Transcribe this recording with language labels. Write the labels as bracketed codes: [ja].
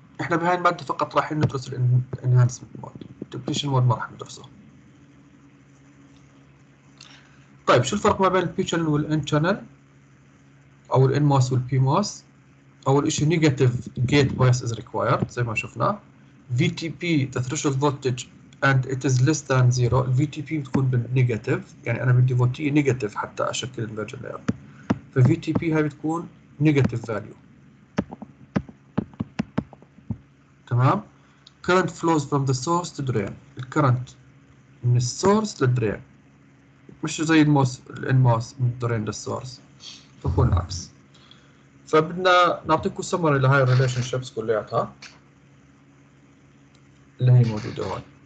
[ar] احنا بهاي المادة فقط راح ندرس الانهانسمنت مود، ديبليشن مود ما راح ندرسه. طيب شو الفرق ما بين البي شانل والان شانل؟ او الان موس والبي موس؟ أول إشي [en] negative gate bias is required [ar] زي ما شفنا. [en] VTP the threshold voltage and it is less than zero. [ar] VTP بتكون بالnegative، يعني أنا بدي فولتية negative حتى أشكل inversion layer. ف VTP هاي بتكون negative value. تمام. [en] Current flows from the source to drain. [ar] الكرنت من السورس للدرين، مش زي الموس الانموس من الدرين للسورس، فبكون العكس. فبدنا نعطيكم سمري لهي الريليشن شيبس كلياتها اللي هي موجوده هون.